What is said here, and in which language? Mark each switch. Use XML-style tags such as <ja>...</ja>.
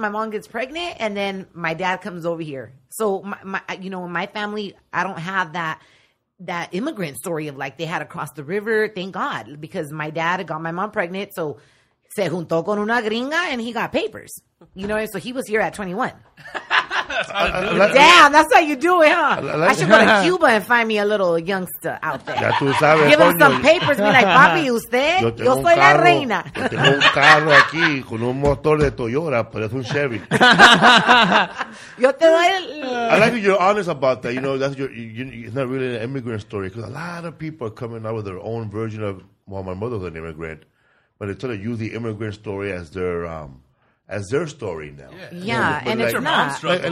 <en>My mom gets pregnant, and then my dad comes over here. So, in my family, I don't have that immigrant story of, like, they had to cross the river, thank God, because my dad got my mom pregnant, so</en> <es>se juntó con una gringa,</es> <en>and he got papers. You know, so he was here at 21. Damn, that's how you do it, huh? I should go to Cuba and find me a little youngster out there.</en> <es>Ya tú sabes,</es> <en>give him some papers. Be like,</en> <es>papi, usted, yo soy la reina. Yo tengo un carro aquí con un motor de Toyota, pero es un Chevy. Yo te doy</es> <en>I like that you're honest about that. You know, that's it's not really an immigrant story because a lot of people are coming out with their own version of, well, my mother's an immigrant, but they try to use the immigrant story as their story now. Yeah, you know, and it's like, your mom's struggle.</en>